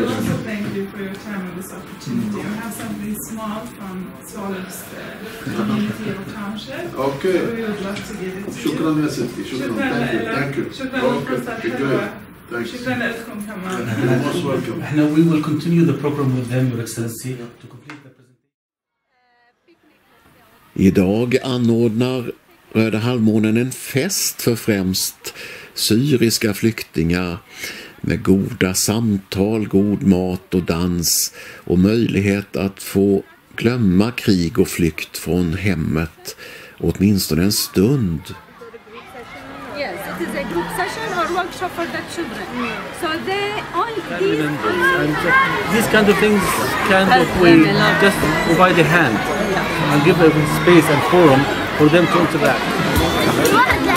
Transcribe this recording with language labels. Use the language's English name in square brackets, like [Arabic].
[English] We would also thank you for your time and this opportunity. I have something small from Solovs, the community of township. Okay. So we would love to give it to [Arabic] Shukran [English] you. [Arabic] Shukran, Yasinti. Shukran. [English] Thank you. [Arabic] Shukran, [English] okay. Okay. You're most welcome. And we will continue the program with them, Your Excellency, to complete the presentation. [Swedish] Idag anordnar Röda halvmånen en fest för främst syriska flyktingar med goda samtal, god mat och dans och möjlighet att få glömma krig och flykt från hemmet åtminstone en stund. [English] Yes, it is a group session or workshop for the children. So these kind of things kind of we just provide a hand and give a space and forum for them to interact.